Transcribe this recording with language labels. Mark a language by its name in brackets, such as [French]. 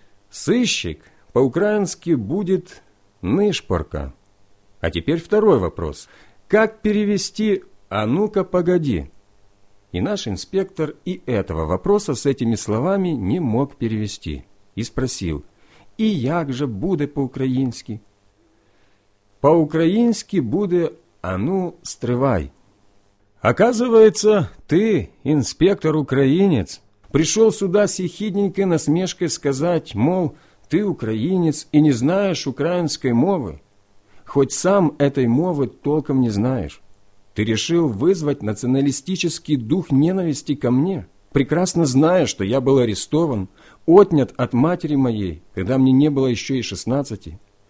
[Russian] «Сыщик» по-украински будет [Ukrainian] «нишпорка». [Russian] А теперь второй вопрос. Как перевести «а ну-ка, погоди»? И наш инспектор и этого вопроса с этими словами не мог перевести. И спросил: «И [Ukrainian] як же буде [Russian] по-украински?» «По-украински [Ukrainian] буде «а ну, стривай». [Russian] Оказывается, ты, инспектор-украинец, пришел сюда с ехидненькой насмешкой сказать, мол, ты украинец и не знаешь украинской мовы, хоть сам этой мовы толком не знаешь. Ты решил вызвать националистический дух ненависти ко мне, прекрасно зная, что я был арестован, отнят от матери моей, когда мне не было еще и 16.